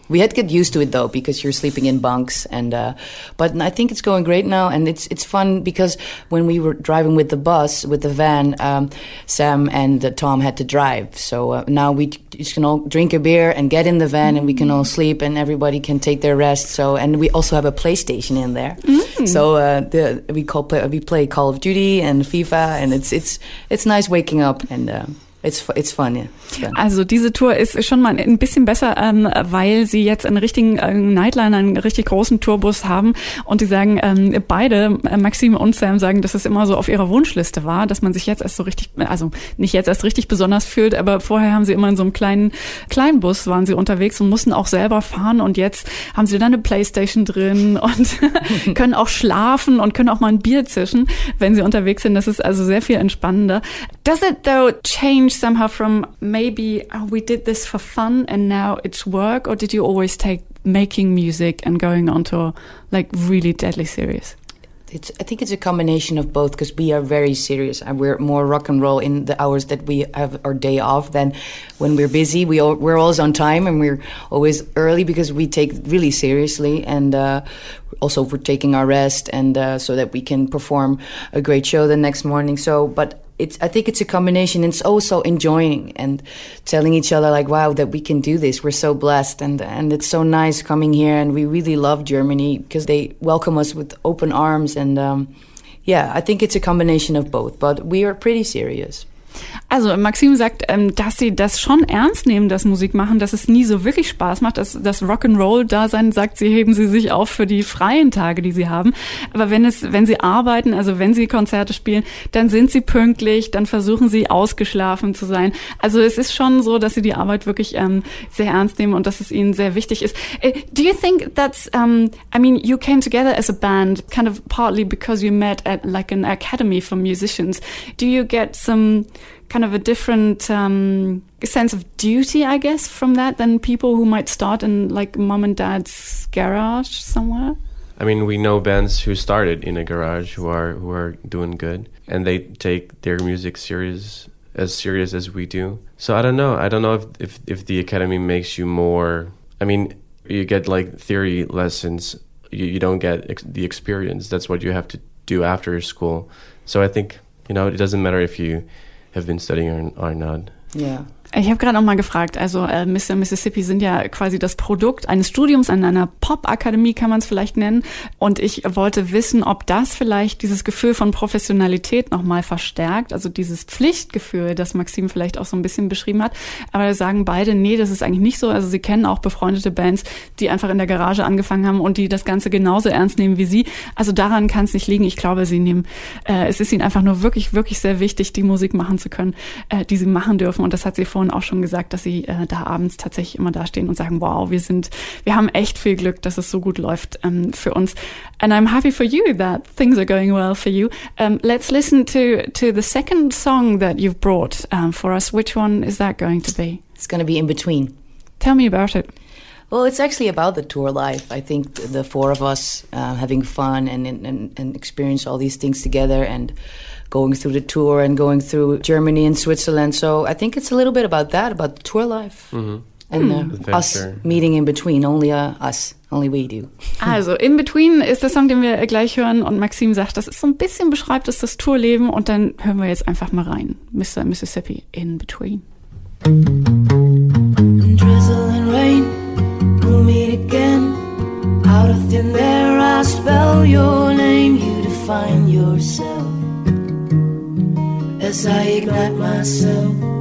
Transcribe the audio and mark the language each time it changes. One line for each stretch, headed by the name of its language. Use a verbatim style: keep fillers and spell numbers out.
English: we had to get used to it though, because you're sleeping in bunks. And uh, but I think it's going great now, and it's it's fun because when we were driving with the bus, with the van, um, Sam and uh, Tom had to drive. So uh, now we just can all drink a beer and get in the van, and we can all sleep, and everybody can take their rest. So and we also have a PlayStation in there. Mm. So uh, the, we call play, we play Call of Duty and FIFA, and it's it's it's nice waking up and. Uh, It's, it's fun, yeah. It's fun.
German: Also diese Tour ist schon mal ein bisschen besser, ähm, weil sie jetzt einen richtigen äh, Nightliner, einen richtig großen Tourbus haben, und die sagen, ähm, beide, äh, Maxim und Sam, sagen, dass es immer so auf ihrer Wunschliste war, dass man sich jetzt erst so richtig, also nicht jetzt erst richtig besonders fühlt, aber vorher haben sie immer in so einem kleinen Kleinbus waren sie unterwegs und mussten auch selber fahren, und jetzt haben sie dann eine Playstation drin und können auch schlafen und können auch mal ein Bier zischen, wenn sie unterwegs sind. Das ist also sehr viel entspannender.
English: Does it though change somehow from maybe oh, we did this for fun and now it's work, or did you always take making music and going on tour like really deadly serious? It's, I think it's a combination of both, because we are very serious and we're more rock and roll in the hours that we have our day off than when we're busy. We all, we're always on time and we're always early because we take really seriously, and uh, also we're taking our rest, and uh, so that we can perform a great show the next morning. So, but It's, I think it's a combination. It's also enjoying and telling each other, like, wow, that we can do this. We're so blessed, and and it's so nice coming here. And we really love Germany because they welcome us with open arms. And um, yeah, I think it's a combination of both, but we are pretty serious.
German: Also Maxim sagt, dass sie das schon ernst nehmen, das Musikmachen, dass es nie so wirklich Spaß macht, dass das Rock'n'Roll-Dasein, sagt sie, heben sie sich auf für die freien Tage, die sie haben. Aber wenn es, wenn sie arbeiten, also wenn sie Konzerte spielen, dann sind sie pünktlich, dann versuchen sie ausgeschlafen zu sein. Also es ist schon so, dass sie die Arbeit wirklich ähm, sehr ernst nehmen und dass es ihnen sehr wichtig ist.
English: Do you think that's, um, I mean, you came together as a band, kind of partly because you met at like an academy for musicians. Do you get some kind of a different um, sense of duty, I guess, from that than people who might start in like mom and dad's garage somewhere? I mean, we know bands who started in a garage who are who are doing good, and they take their music serious as serious as we do. So I don't know. I don't know if if, if the academy makes you more. I mean, you get like theory lessons. You, you don't get ex- the experience. That's what you have to do after school. So I think, you know, it doesn't matter if you have been studying or, or not. Yeah.
German: Ich habe gerade noch mal gefragt, also äh, Mister Mississippi sind ja quasi das Produkt eines Studiums an einer Pop-Akademie, kann man es vielleicht nennen. Und ich wollte wissen, ob das vielleicht dieses Gefühl von Professionalität nochmal verstärkt, also dieses Pflichtgefühl, das Maxim vielleicht auch so ein bisschen beschrieben hat. Aber da sagen beide, nee, das ist eigentlich nicht so. Also sie kennen auch befreundete Bands, die einfach in der Garage angefangen haben und die das Ganze genauso ernst nehmen wie sie. Also daran kann es nicht liegen. Ich glaube, sie nehmen, äh, es ist ihnen einfach nur wirklich, wirklich sehr wichtig, die Musik machen zu können, äh, die sie machen dürfen. Und das hat sie vorhin auch schon gesagt, dass sie äh, da abends tatsächlich immer dastehen und sagen, wow, wir sind, wir haben echt viel Glück, dass es so gut läuft um, für uns.
English: And I'm happy for you that things are going well for you. Um, let's listen to to the second song that you've brought um, for us. Which one is that going to be? It's going to be In Between. Tell me about it. Well, it's actually about the tour life. I think the four of us uh, having fun and, and and experience all these things together, and going through the tour and going through Germany and Switzerland. So I think it's a little bit about that, about the tour life. Mm-hmm. And uh, us meeting in between, only uh, us, only we do.
German: Also In Between ist der Song, den wir gleich hören, und Maxim sagt, das ist so ein bisschen beschreibt, das das Tourleben, und dann hören wir jetzt einfach mal rein. Mister Mississippi, In Between.
English: Drizzle and rain, we'll meet again. Out of thin air I spell your name, you define yourself as I ignite myself.